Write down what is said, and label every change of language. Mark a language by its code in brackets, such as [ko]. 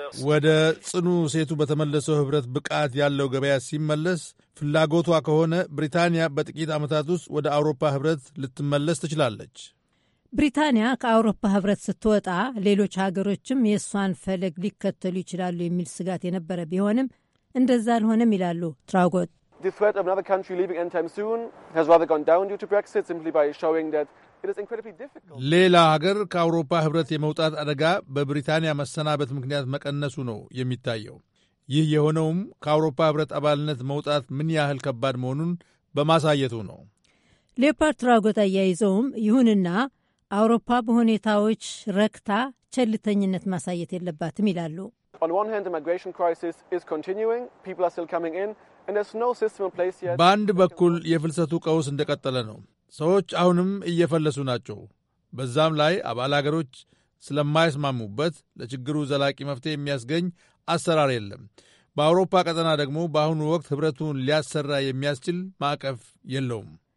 [am] ወደ ጽኑ ሴቱ በተመለሰው ህብረት ብቃት ያለው ገበያ ሲመለስ ፍላጎቷ ከሆነ ብሪታንያ በጥቂት ዓመታት ውስጥ ወደ አውሮፓ ህብረት ልትመለስ ትችላለች። ብሪታንያ ከአውሮፓ ህብረት ስትወጣ ሌሎች ሀገሮችም የእሷን ፈለግ ሊከተሉ ይችላሉ የሚል ስጋት የነበረ ቢሆንም እንደዛ አልሆነም ይላሉ ትራጎት። [en] The threat of another country leaving anytime soon has rather gone down due to Brexit, simply by showing that it is incredibly difficult. [am] ሌላ ሀገር ከአውሮፓ ህብረት የመውጣት አደጋ በብሪታንያ መሰናበት ምክንያት መቀነሱ ነው የሚታየው። ይህ የሆነውም ከአውሮፓ ህብረት አባልነት መውጣት ምን ያህል ከባድ መሆኑን በማሳየቱ ነው። ሌፓር ትራጎት አያይዘውም ይሁንና አውሮፓ በሁኔታዎች ረክታ ቸልተኝነት ማሳየት የለባትም ይላሉ። [en] On one hand, the migration crisis is continuing. People are still coming in. And there's no system in place yet. [am] ባንድ በኩል የፍልሰቱ ቀውስ እንደቀጠለ ነው። ሰዎች አሁንም እየፈለሱ ናቸው። በዛም ላይ አባል አገሮች ስለማይስማሙበት ለችግሩ ዘላቂ መፍትሄ የሚያስገኝ አሰራር የለም። በአውሮፓ ቀጠና ደግሞ በአሁኑ ወቅት ህብረቱን ሊያሰራ የሚያስችል ማዕቀፍ የለውም።